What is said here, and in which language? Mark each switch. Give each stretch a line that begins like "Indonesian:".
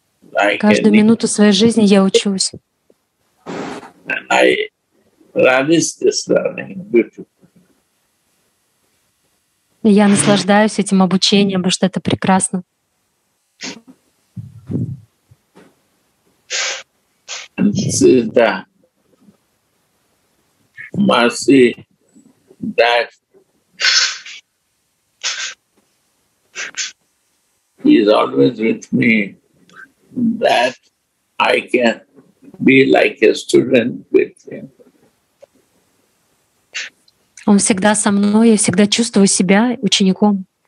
Russian: Like каждую минуту своей жизни я учусь.
English: And I relish this learning, beautiful.
Russian: И я наслаждаюсь этим обучением, потому что это прекрасно.
English: This is the mercy that is always with me, that I can be like a student with him.
Russian: Он всегда со мной, я всегда чувствую себя учеником.